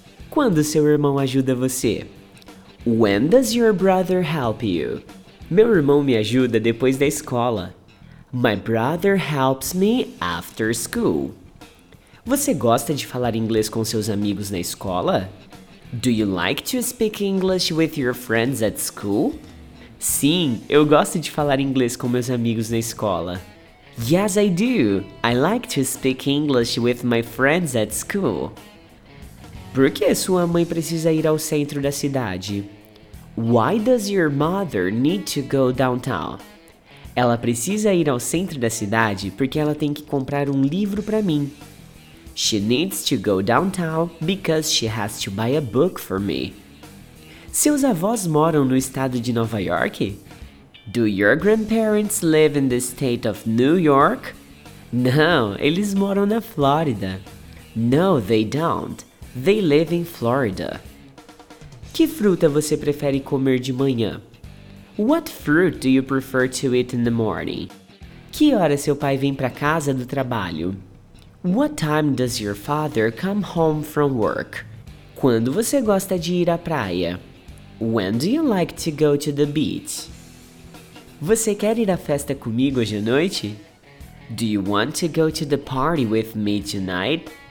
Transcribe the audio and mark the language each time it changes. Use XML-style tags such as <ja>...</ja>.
<pt>Quando seu irmão ajuda você?</pt> <en>When does your brother help you?</en> <pt>Meu irmão me ajuda depois da escola.</pt> <en>My brother helps me after school.</en> <pt>Você gosta de falar inglês com seus amigos na escola?</pt> <en>Do you like to speak English with your friends at school?</en> <pt>Sim, eu gosto de falar inglês com meus amigos na escola.</pt> <en>Yes, I do. I like to speak English with my friends at school.</en> <pt>Por que sua mãe precisa ir ao centro da cidade?</pt> <en>Why does your mother need to go downtown?</en> <pt>Ela precisa ir ao centro da cidade porque ela tem que comprar um livro para mim.</pt> <en>She needs to go downtown because she has to buy a book for me.</en> <pt>Seus avós moram no estado de Nova York?</pt> <en>Do your grandparents live in the state of New York?</en> <pt>Não, eles moram na Flórida.</pt> <en>No, they don't. They live in Florida.</en> <pt>Que fruta você prefere comer de manhã?</pt> <en>What fruit do you prefer to eat in the morning?</en> <pt>Que hora seu pai vem para casa do trabalho?</pt> <en>What time does your father come home from work?</en> <pt>Quando você gosta de ir à praia?</pt> <en>When do you like to go to the beach?</en> <pt>Você quer ir à festa comigo hoje à noite?</pt> <en>Do you want to go to the party with me tonight?</en>